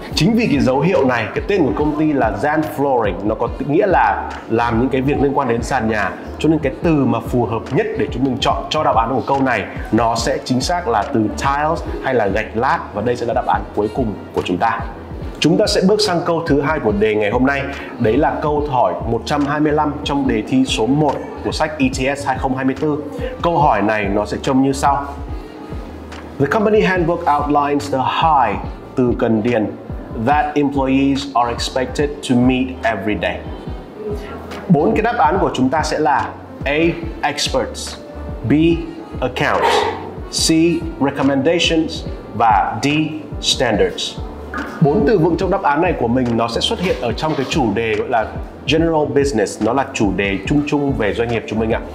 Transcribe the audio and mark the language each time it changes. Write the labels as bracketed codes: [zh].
[vi] Chính vì cái dấu hiệu này, cái tên của công ty là Zen Flooring, nó có nghĩa là làm những cái việc liên quan đến sàn nhà, cho nên cái từ mà phù hợp nhất để chúng mình chọn cho đáp án của câu này nó sẽ chính xác là từ tiles hay là gạch lát, và đây sẽ là đáp án cuối cùng của chúng ta. Chúng ta sẽ bước sang câu thứ hai của đề ngày hôm nay. Đấy là câu hỏi 125 trong đề thi số 1 của sách ETS 2024. Câu hỏi này nó sẽ trông như sau. [en] The company handbook outlines the high [vi] từ cần điền [en] that employees are expected to meet every day. [vi] Bốn cái đáp án của chúng ta sẽ là A. [en] Experts, B. Accounts, C. Recommendations [vi] và [en] D. Standards. [vi] Bốn từ vựng trong đáp án này của mình nó sẽ xuất hiện ở trong cái chủ đề gọi là [en] general business, [vi] nó là chủ đề chung chung về doanh nghiệp chúng mình ạ.